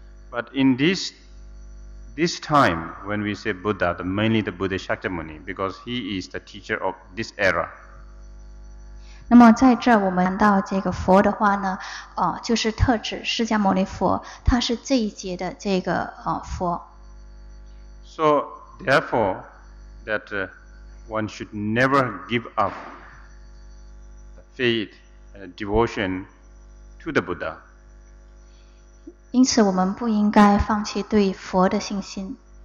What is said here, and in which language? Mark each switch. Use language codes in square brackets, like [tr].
[en] But in this time when we say Buddha, mainly the Buddha Shakyamuni, because he is the teacher of this era. [zh] 那么在这我们谈到这个佛的话呢就是特指释迦牟尼佛，他是这一节的这个佛。 [en] So, therefore, that one should never give up faith and devotion to the Buddha. [zh] 因此我们不应该放弃对佛的信心。